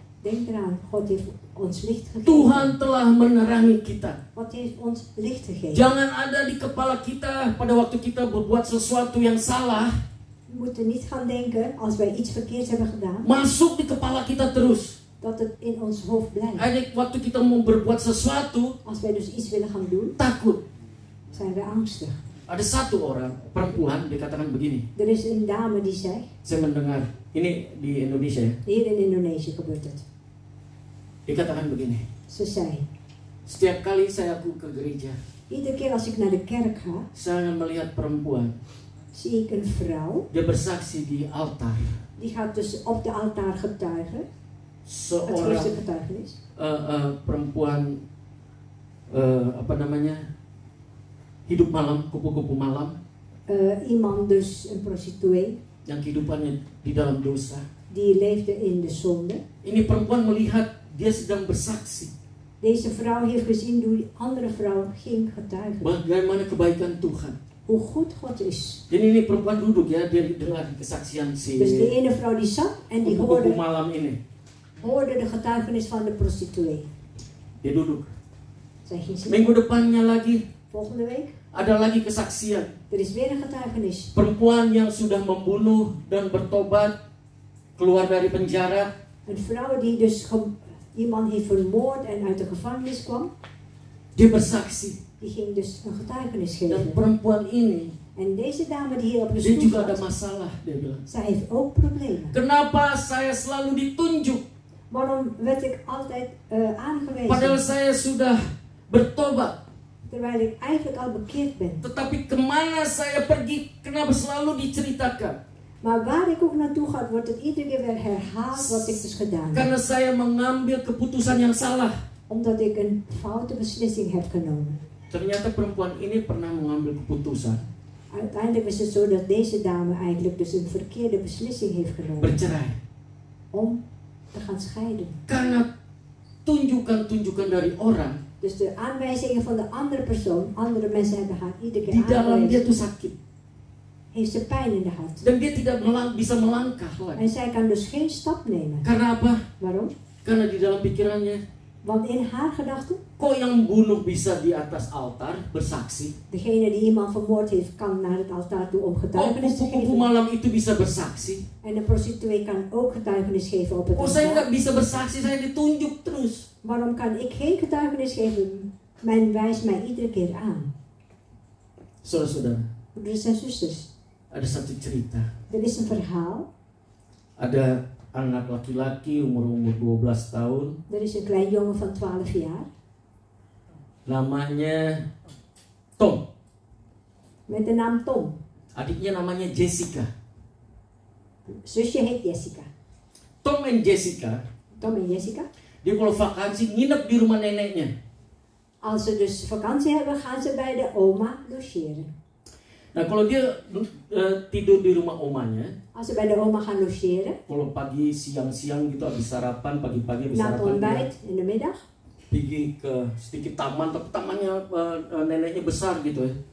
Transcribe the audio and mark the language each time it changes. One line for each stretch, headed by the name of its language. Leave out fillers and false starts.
Dutch: Denk eraan, God heeft ons licht gegeven.
Indonesian: Tuhan telah menerangi kita.
Dutch: God heeft ons licht gegeven.
Indonesian: Jangan ada di kepala kita pada waktu kita berbuat sesuatu yang salah.
Dutch: We moeten niet gaan denken als wij iets verkeerds hebben gedaan.
Indonesian: Masuk di kepala kita terus.
Dutch: Dat het in ons hoofd blijft.
Indonesian: Eigenlijk waktu kita mau berbuat sesuatu.
Dutch: Als wij dus iets willen gaan doen.
Indonesian: Takut.
Dutch: Zijn we angstig.
Indonesian: Ada satu orang perempuan dikatakan begini.
Dutch: Er is een dame die zei.
Indonesian: Saya mendengar ini di Indonesia.
Dutch: Hier in Indonesia gebeurt het.
Indonesian: Dikatakan begini.
Dutch: Ze zei.
Indonesian: Setiap kali saya pun ke gereja.
Dutch: Iedere keer als ik naar de kerk ga.
Indonesian: Saya melihat perempuan.
Dutch: Zie ik een vrouw.
Indonesian: Dia bersaksi di altar.
Dutch: Die gaat dus op de altaar getuigen.
Indonesian: Seorang.
Dutch: Het is de getuigenis.
Indonesian: Perempuan. Apa namanya? Hidup malam, kupu-kupu malam.
Dutch: Iemand dus een prostituee.
Indonesian: yang kehidupannya di dalam dosa.
Dutch: Die leefde in de zonde.
Indonesian: Ini perempuan melihat dia sedang bersaksi.
Dutch: Deze vrouw heeft gezien hoe die andere vrouw ging getuigen.
Indonesian: Bagaimana kebaikan Tuhan?
Dutch: Hoe goed God is.
Indonesian: Jadi ini perempuan duduk ya, dia dengar kesaksian si.
Dutch: Dus die ene vrouw die zat en die hoorde.
Indonesian: Op malam ini.
Dutch: Hoorde de getuigenis van de prostituee.
Indonesian: Dia duduk.
Dutch: Zeg je.
Indonesian: Minggu depannya lagi.
Dutch: Volgende week.
Indonesian: Ada lagi kesaksian.
Dutch: Er is weer een getuigenis.
Indonesian: Perempuan yang sudah membunuh dan bertobat keluar dari penjara.
Dutch: Een vrouw die dus iemand heeft vermoord en uit de gevangenis kwam.
Indonesian: Die bersaksi.
Dutch: Die ging dus een getuigenis geven.
Indonesian: Dan perempuan ini.
Dutch: En deze dame die hier op de
Indonesian: stoel. Dia juga ada masalah, dia bilang.
Dutch: Zij heeft ook problemen.
Indonesian: Kenapa saya selalu ditunjuk?
Dutch: Waarom werd ik altijd aangewezen?
Indonesian: Padahal saya sudah bertobat.
Dutch: Terwijl ik eigenlijk al bekeerd ben.
Indonesian: Tetapi kemana saya pergi, kenapa selalu diceritakan?
Dutch: Maar waar ik ook naartoe ga, wordt het iedere keer weer herhaald wat ik dus gedaan heb.
Indonesian: Karena saya mengambil keputusan yang salah.
Dutch: Omdat ik een foute beslissing heb genomen.
Indonesian: Ternyata perempuan ini pernah mengambil keputusan.
Dutch: Uiteindelijk is het zo dat deze dame eigenlijk dus een verkeerde beslissing heeft genomen.
Indonesian: Bercerai.
Dutch: Om te gaan scheiden.
Indonesian: Karena tunjukan-tunjukan dari orang.
Dutch: Dus de aanwijzingen van de andere persoon, andere mensen hebben haar iedere keer
Indonesian: aangewezen. Di dalam dia tuh sakit.
Dutch: Heeft ze pijn in de hart.
Indonesian: Dan dia tidak bisa melangkah lagi.
Dutch: En zij kan dus geen stap nemen.
Indonesian: Karena apa?
Dutch: Waarom?
Indonesian: Karena di dalam pikirannya.
Dutch: Want in haar gedachten.
Indonesian: Kok yang bunuh bisa di atas altaar bersaksi?
Dutch: Degene die iemand vermoord heeft kan naar het altaar toe om getuigenis te geven.
Indonesian: Op malam itu bisa bersaksi.
Dutch: En de prostituee kan ook getuigenis geven op het altaar.
Indonesian: Kok saya enggak bisa bersaksi, saya ditunjuk terus.
Dutch: Waarom kan ik geen getuigenis geven? Men wijst mij iedere keer aan.
Indonesian: Saudara-saudara.
Dutch: Broeders en zusters.
Indonesian: Ada satu cerita.
Dutch: Er is een verhaal.
Indonesian: Ada anak laki-laki umur 12 tahun.
Dutch: Er is een klein jongen van 12 jaar.
Indonesian: Namanya Tom.
Dutch: Met de naam Tom.
Indonesian: Adiknya namanya Jessica.
Dutch: Zusje heet Jessica. Tom en Jessica. Tom en Jessica.
Indonesian: Dia kalau vakansi nginep di rumah neneknya.
Dutch: Als ze dus vakantie hebben, gaan ze bij de oma logeren.
Indonesian: Nah kalau dia tidur di rumah omanya.
Dutch: Als ze bij de oma gaan logeren.
Indonesian: Kalau pagi, siang-siang gitu habis sarapan, pagi-pagi habis
Dutch: sarapan. Na ontbijt, in de middag.
Indonesian: Pergi ke sedikit taman, tapi tamannya neneknya besar gitu ya.